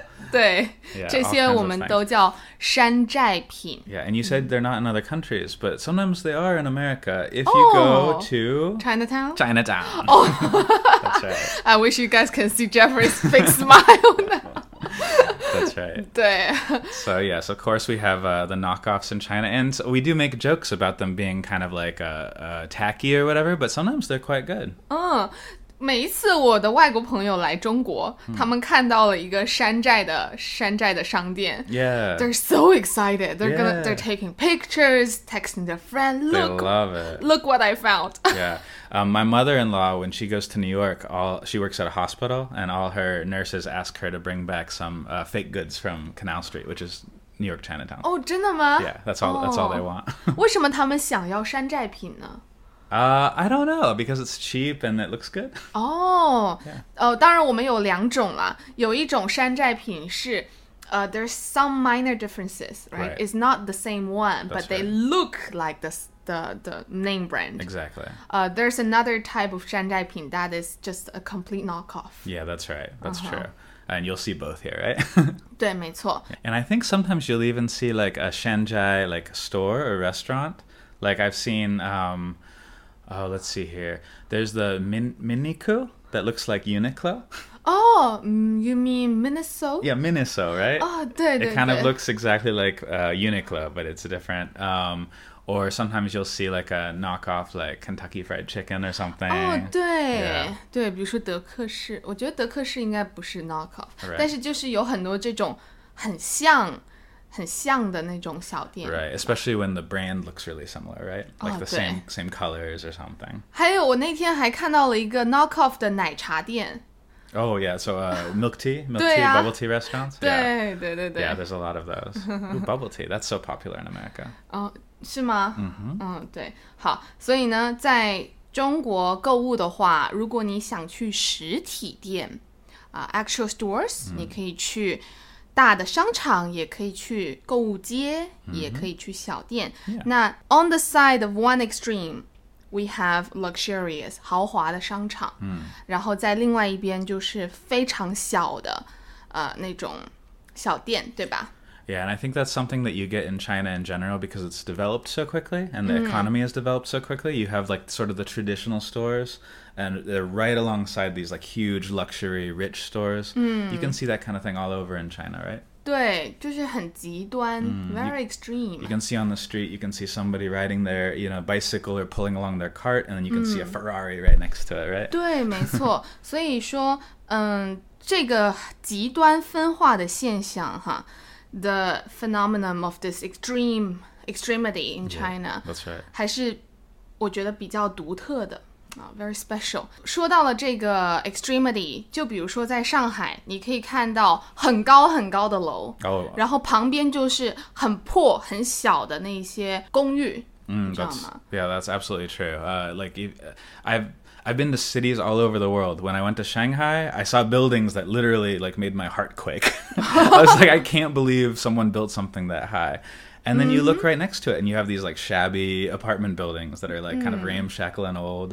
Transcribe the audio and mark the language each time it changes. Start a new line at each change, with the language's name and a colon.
Chinese: 对,这些我们都叫山寨品。
English: Yeah, and you said they're not in other countries, but sometimes they are in America. If you go to... Chinatown? Chinatown. Oh. That's right. I wish you guys can see Jeffrey's big smile now. That's right.
Chinese: 对.
English: So yes, of course we have the knockoffs in China, and we do make jokes about them being kind of like tacky or whatever, but sometimes they're quite good.
Chinese: 每一次我的外国朋友来中国, 他们看到了一个山寨的商店,
English: yeah. They're so excited. They're gonna, they're taking pictures, texting their friend. Look, they love it. Look what I found. Yeah, my mother-in-law, when she goes to New York, she works at a hospital, and all her nurses ask her to bring back some fake goods from Canal Street, which is New York Chinatown.
Chinese: Oh, 真的吗?
English: Yeah, that's all they want.
Chinese: 为什么他们想要山寨品呢?
English: I don't know, because it's cheap and it looks good. Oh, yeah.
Chinese: 当然我们有两种了。有一种山寨品是,
English: there's some minor differences, right? Right. It's not the same one, That's but right. they look like the name brand. Exactly. There's another type of 山寨品 that is just a complete knockoff. Yeah, that's right. That's true. And you'll see both here, right?
Chinese: 对,没错。
English: And I think sometimes you'll even see like a 山寨 like store or restaurant. Like I've seen... Oh, let's see here. There's the Miniku that looks like Uniqlo. Oh, you mean Miniso? Yeah, Miniso, right? Oh, 对, it kind of looks exactly like Uniqlo, but it's a different. Or sometimes you'll see like a knockoff like Kentucky Fried Chicken or something.
Chinese: Oh, 对,比如说德克士,我觉得德克士应该不是 knockoff,
English: right.
Chinese: 但是就是有很多这种很像 很像的那种小店
English: Right, especially when the brand looks really similar, right? Like the same colors or something
Chinese: 还有我那天还看到了一个 knockoff的奶茶店
English: Oh, yeah. So milk tea, bubble tea restaurants.
Chinese: 对对对对。
English: Yeah, there's a lot of those. Ooh, bubble tea, that's so popular in America.
Chinese: Oh, 是吗?Mm-hmm. 嗯,对。好,所以呢,在中国购物的话, 如果你想去实体店,
English: actual stores,
Chinese: 你可以去... 大的商场也可以去购物街, mm-hmm. 也可以去小店。
English: Yeah.
Chinese: 那
English: on the side of one extreme, we have luxurious,
Chinese: 豪华的商场,
English: mm.
Chinese: 然后在另外一边就是非常小的, 那种小店, 对吧?
English: Yeah, and I think that's something that you get in China in general because it's developed so quickly and the economy has developed so quickly. You have like sort of the traditional stores and they're right alongside these like huge luxury rich stores. You can see that kind of thing all over in China, right?
Chinese: 对,就是很极端,
English: very extreme. You can see on the street, you can see somebody riding their, you know, bicycle or pulling along their cart and then you can see a Ferrari right next to it, right?
Chinese: 对,没错,所以说这个极端分化的现象哈,
English: the phenomenon of this extremity in China. Yeah, that's right.
Chinese: 还是我觉得比较独特的,
English: very special.
Chinese: 说到了这个 extremity, 就比如说在上海, 你可以看到很高很高的楼,
English: oh.
Chinese: 然后旁边就是很破, 很小的那些公寓,
English: that's, yeah, that's absolutely true. I've been to cities all over the world. When I went to Shanghai, I saw buildings that literally like made my heart quake. I was like, I can't believe someone built something that high. And then you look right next to it and you have these like shabby apartment buildings that are like kind of ramshackle and old.